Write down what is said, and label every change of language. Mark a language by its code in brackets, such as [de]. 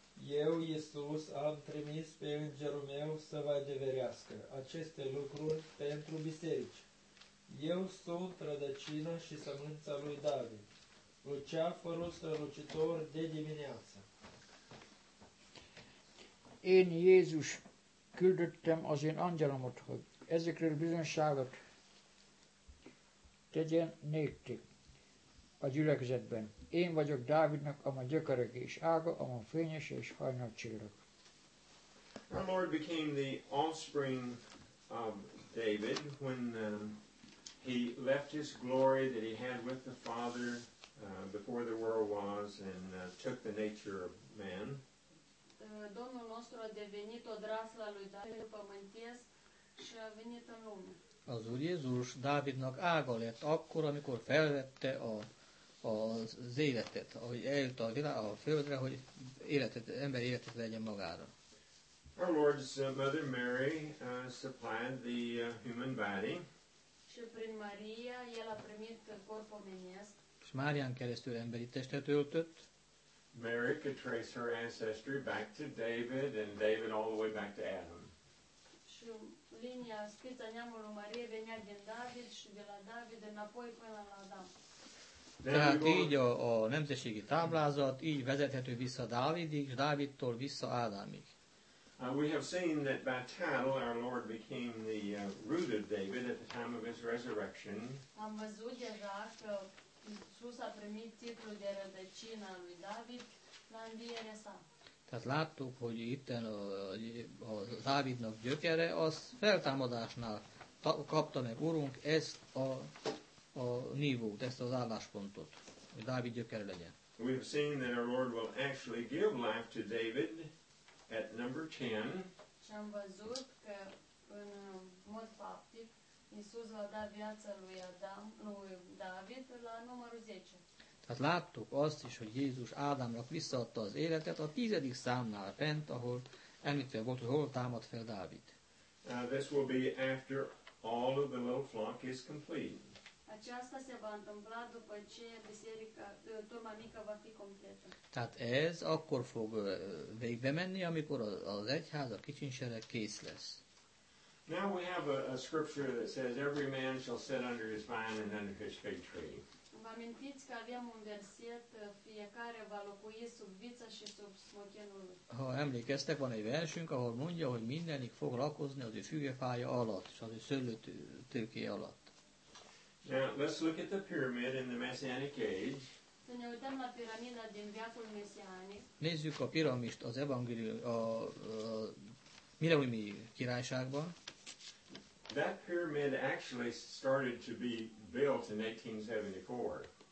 [ro] Eu, Iisus, am trimis pe îngerul meu să vă adeverească aceste lucruri pentru biserici. Eu sunt rădăcina și sămânța lui David. Luceafărul strălucitor de dimineață. [hu] Én Jézus küldöttem az én angyalomot, hogy ezekről bizonyságot tegyen néktek a gyülekezetben. Én vagyok Dávidnak, ama gyökerek és ága, ama fényes és hajnal csillag. [en] Our Lord became the offspring of David when he left his glory that he had with the Father before the world was and took the nature of man. [ro] Domnul nostru a devenit odrasla lui David pământies și a venit în lume. [hu] Az Úr Jézus Dávidnak ága lett akkor, amikor felvette az életet, ahogy eljött a földre, hogy ember életet legyen magára. [en] Our Lord's mother Mary supplied the human body. [ro] Și prin Maria el a primit corpul omenesc. [hu] És Márián keresztül emberi testet öltött. [en] Mary could trace her ancestry back to David and David all the way back to Adam. [ro] Și linia spița neamului Marie venea din David și de la David înapoi până la Adam. [hu] Tehát így a nemzetségi táblázat így vezethető vissza Dávidig, és Dávidtól vissza Ádámig. [en] We have seen that by title our Lord became the root of David at the time of his resurrection. [ro] Am văzut deja că Iisus a primit titlul de rădăcină lui David la învierea sa. [hu] Tehát láttuk, hogy itt a Dávidnak gyökere, az feltámadásnál kapta meg Urunk ezt a nívót, ezt az álláspontot, hogy Dávid gyökere legyen. [en] We have seen that our Lord will actually give life to David at number 10. [ro] Și am văzut că în mod faptic Iisus va da viața lui Adam, lui David la numărul 10. [hu] Tehát láttuk azt is, hogy Jézus Ádámnak visszaadta az életet a 10. számnál fent, ahol említve volt, hogy hol támad fel Dávid. [en] This will be after all of the little flock is complete. [ro] Aceasta se va întâmpla după ce biserica, turma mică va fi completă. [hu] Tehát ez akkor fog végbe menni, amikor az egyház, a kicsinsereg kész lesz. [en] Now we have a scripture that says every man shall sit under his vine and under his fig tree. [ro] Vă amintiți că avem un verset, fiecare va locui sub vița și sub smochenul lui. [hu] Ha emlékeztek, van egy versünk, ahol mondja, hogy mindenik fog lakozni az ő fügefája alatt, és az ő szőlőtőké alatt. [en] Now, let's look at the pyramid in the Messianic Age. [ro] Să ne uităm la piramida din viacul mesianic. [hu] Nézzük a piramist az evangélium, a millenniumi királyságban. [en] That pyramid actually started to be built in 1874.